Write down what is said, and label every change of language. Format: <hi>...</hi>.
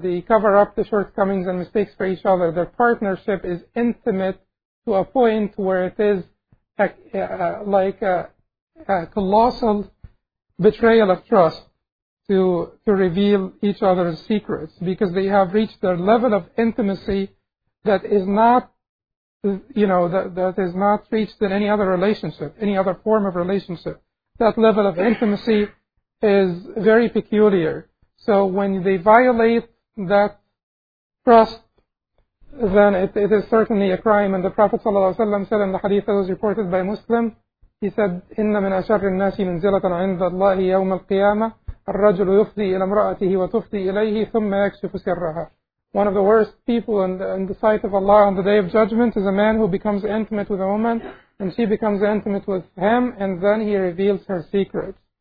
<en>They cover up the shortcomings and mistakes for each other. Their partnership is intimate to a point where it is like a colossal betrayal of trust to reveal each other's secrets, because they have reached their level of intimacy that is not, that is not reached in any other relationship, any other form of relationship. That level of intimacy is very peculiar. So when they violate that trust, then it is certainly a crime. And the Prophet ﷺ said in the hadith that was reported by Muslim, he said,</en> <ar>إِنَّ مِنْ أَشَرِّ النَّاسِ مَنْزِلَةً عِنْدَ اللَّهِ يَوْمَ الْقِيَامَةِ الرَّجُلُ يُفْضِي إِلَى امْرَأَتِهِ وَتُفْضِي إِلَيْهِ ثُمَّ يَكْشِفُ سِرَّهَا.</ar> <en>One of the worst people in the sight of Allah on the Day of Judgment is a man who becomes intimate with a woman, and she becomes intimate with him, and then he reveals her secrets.</en>